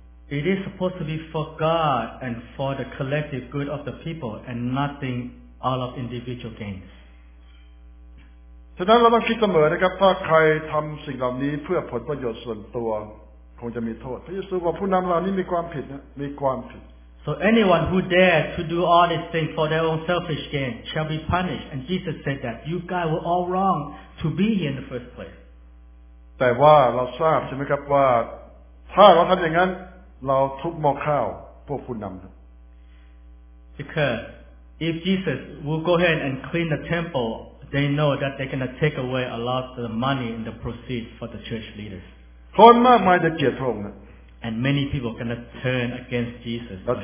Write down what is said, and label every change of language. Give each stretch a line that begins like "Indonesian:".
English: It is supposed to be for God and for the collective good of the people and nothing all of individual gains.
Thai: ฉะนั้นเราต้องคิดเสมอนะครับถ้าใครทำสิ่งเหล่านี้เพื่อผลประโยชน์ส่วนตัวคงจะมีโทษพระเยซูบอกผู้นำเหล่านี้มีความผิดนะมีความผิด
English: So anyone who dares to do all these things for their own selfish gain shall be punished. And Jesus said that you guys were all wrong to be here in the first place.
Thai: แต่ว่าเราทราบใช่ไหมครับว่าถ้าเราทำอย่างนั้นเราทุบหม้อข้าวพวกผู้นำ
English: Because if Jesus will go ahead and clean the temple, they know that they're going to take away a lot of the money and the proceeds for the church leaders. And many people are going to turn against Jesus.